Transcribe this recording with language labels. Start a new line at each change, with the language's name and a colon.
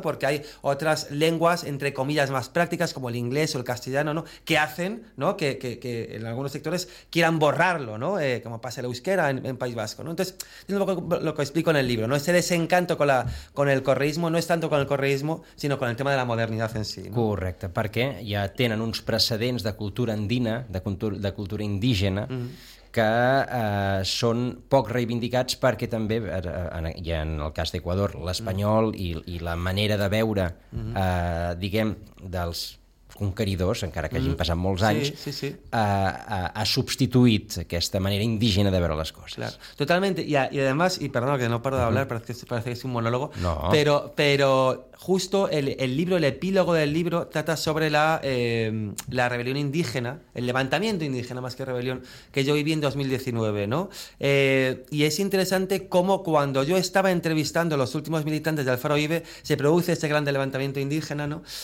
Spanish: Porque hay otras lenguas, entre comillas, más prácticas, como el inglés o el castellano, ¿no? Que hacen, ¿no? Que en algunos sectores quieran borrarlo, ¿no? Como pasa el euskera en País Vasco, ¿no? Entonces, es un poco lo que explico en el libro, ¿no? Ese desencanto con el correísmo, no es tanto con el correísmo, sino con el tema de la modernidad en sí, ¿no?
Catalan: Correcte, perquè ja tenen uns precedents de cultura andina, de cultura indígena, que són poc reivindicats perquè també, i en el cas d'Equador, l'espanyol i la manera de veure, diguem, dels conqueridors, encara que hagin passat molts anys, ha substituït aquesta manera indígena de veure les coses.
Spanish: Claro. Totalmente, y además, y perdón, que no paro de hablar, parece que es un monólogo, no. pero justo el libro, el epílogo del libro trata sobre la rebelión indígena, el levantamiento indígena más que rebelión, que yo viví en 2019, ¿no? Y es interesante cómo cuando yo estaba entrevistando a los últimos militantes del Faro Ibe, se produce este gran levantamiento indígena, ¿no?